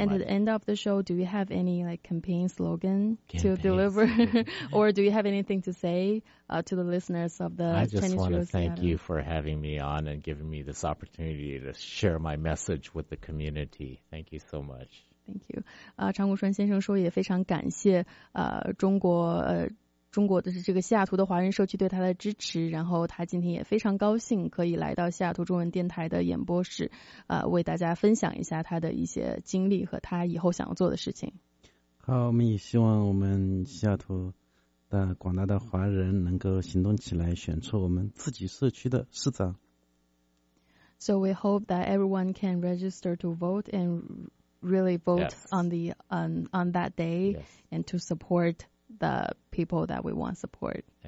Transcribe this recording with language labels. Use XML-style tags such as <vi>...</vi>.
<en>at the end of the show, do you have any like campaign slogan to deliver, or do you have anything to say to the listeners of the Chinese Radio? I just want to thank you for having me on and giving me this opportunity to share my message with the community. Thank you so much. Thank you.</en> <zh>常谷川先生说也非常感谢中国的这个西雅图的华人社区对他的支持，然后他今天也非常高兴可以来到西雅图中文电台的演播室，为大家分享一下他的一些经历和他以后想要做的事情。好，我们也希望我们西雅图的广大的华人能够行动起来，选出我们自己社区的市长。</zh> <en>So we hope that everyone can register to vote and really vote on that day and to support the people that we want support.</en>